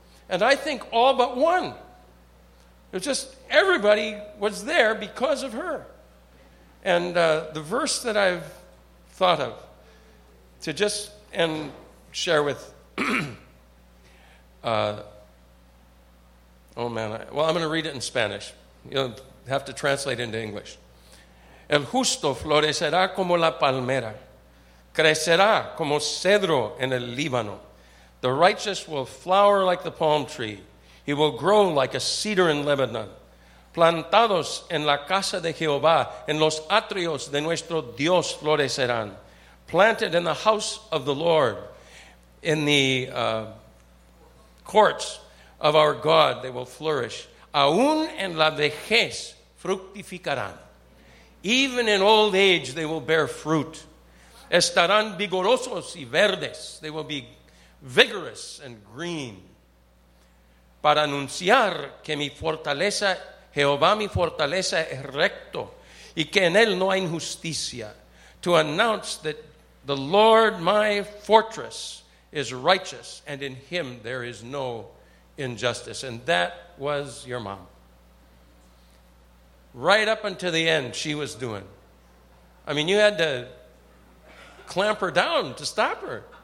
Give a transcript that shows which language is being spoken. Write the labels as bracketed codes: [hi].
[en] And I think all but one. It was just everybody was there because of her. And the verse that I've thought of to just and share with, I'm going to read it in Spanish. You'll have to translate into English. [es] El justo florecerá como la palmera, crecerá como cedro en el Líbano. [en] The righteous will flower like the palm tree. He will grow like a cedar in Lebanon. [es] Plantados en la casa de Jehová, en los atrios de nuestro Dios florecerán. [en] Planted in the house of the Lord, in the courts of our God, they will flourish. [es] Aún en la vejez fructificarán. [en] Even in old age, they will bear fruit. [es] Estarán vigorosos y verdes. [en] They will be vigorous and green. [es] Para anunciar que mi fortaleza, Jehová mi fortaleza es recto, y que en él no hay injusticia. [en] To announce that the Lord my fortress is righteous, and in him there is no injustice. And that was your mom. Right up until the end, she was doing. I mean, you had to clamp her down to stop her.